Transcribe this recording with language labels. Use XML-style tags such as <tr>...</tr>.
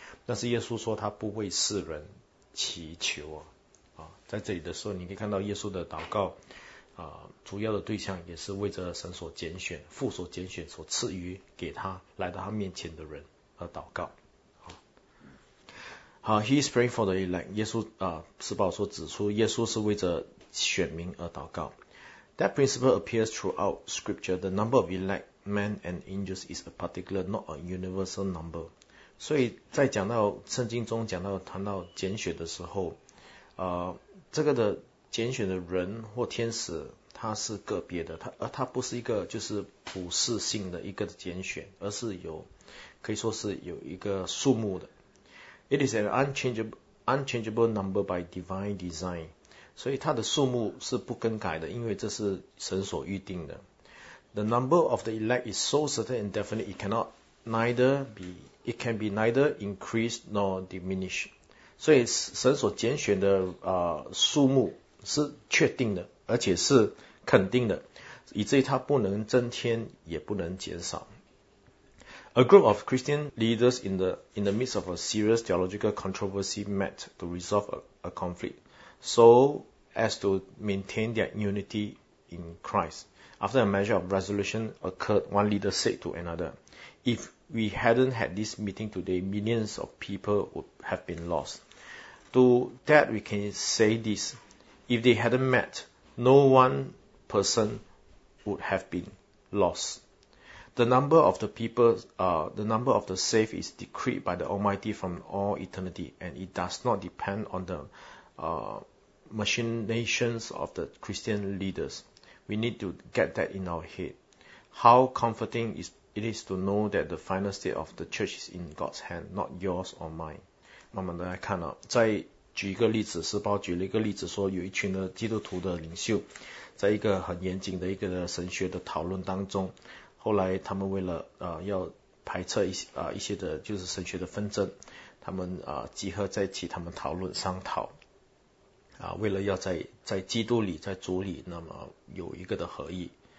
<zh>但是耶稣说他不为世人祈求啊，在这里的时候，你可以看到耶稣的祷告主要的对象也是为着神所拣选、父所拣选、所赐予给他来到他面前的人而祷告。</zh> <en>好 ，He is praying for the elect。</en> <zh>耶稣施保所指出，耶稣是为着选民而祷告。</zh> <en>That principle appears throughout Scripture. The number of elect men and angels is a particular, not a universal number.</en> <zh>所以在讲到圣经中讲到谈到拣选的时候，这个的拣选的人或天使，它是个别的，它不是一个就是普世性的一个拣选，而是有可以说是有一个数目的。</zh> <en>It is an unchangeable number by divine design.</en> <zh>所以它的数目是不更改的，因为这是神所预定的。</zh> <en>The number of the elect is so certain and definite, it can be neither increased nor diminished.</en> <zh>所以神所拣选的数目是确定的，而且是肯定的，以至于它不能增添，也不能减少。</zh> <en>A group of Christian leaders in the midst of a serious theological controversy met to resolve a conflict so as to maintain their unity in Christ. After a measure of resolution occurred, one leader said to another, If we hadn't had this meeting today, millions of people would have been lost. To that we can say this, if they hadn't met, no one person would have been lost. The number of the people, the number of the saved is decreed by the Almighty from all eternity, and it does not depend on the machinations of the Christian leaders. We need to get that in our head. How comforting it is to know that the final state of the church is in God's hand, not yours or mine.</en> <zh>慢慢的来看啊，再举一个例子，施保举了一个例子，说有一群的基督徒的领袖，在一个很严谨的一个神学的讨论当中。后来他们为了要排斥一些的就是神学的纷争，他们集合在一起，他们讨论商讨为了要在基督里，在主里，那么有一个的合意。</zh>